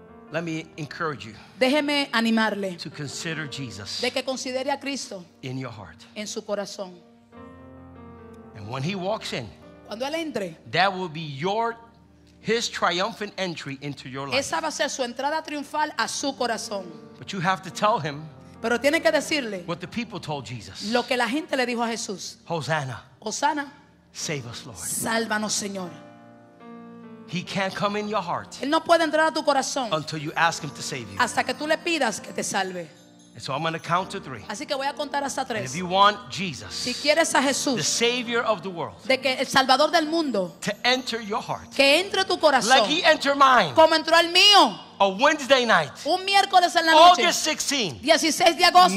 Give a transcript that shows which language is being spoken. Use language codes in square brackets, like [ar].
[en] Let me encourage you. [es] Déjeme animarle. [en] To consider Jesus. [es] De que considere a Cristo. [en] In your heart. [es] En su corazón. [en] And when he walks in. [es] Cuando él entre. [en] That will be his triumphant entry into your life. [es] Esa va a ser su entrada triunfal a su corazón. [en] But you have to tell him. [es] Pero tiene que decirle. [en] What the people told Jesus. [es] Lo que la gente le dijo a Jesús. [en] Hosanna. [es] Hosanna. [en] Save us, Lord. [es] Sálvanos, Señor. [en] He can't come in your heart. [es] Él no puede entrar a tu corazón. [en] Until you ask him to save you. [es] Hasta que tú le pidas que te salve. [en] And so I'm going to count to three. [es] Así que voy a contar hasta tres. [en] And if you want Jesus. [es] Si quieres a Jesús. [en] The savior of the world. [es] De que el salvador del mundo. [en] To enter your heart. [es] Que entre tu corazón. [en] Like he entered mine. [es] Como entró el mío. [en] A Wednesday night. [es] Un miércoles en la [en] August [es] noche. [en] August 16. [es] 16 de agosto.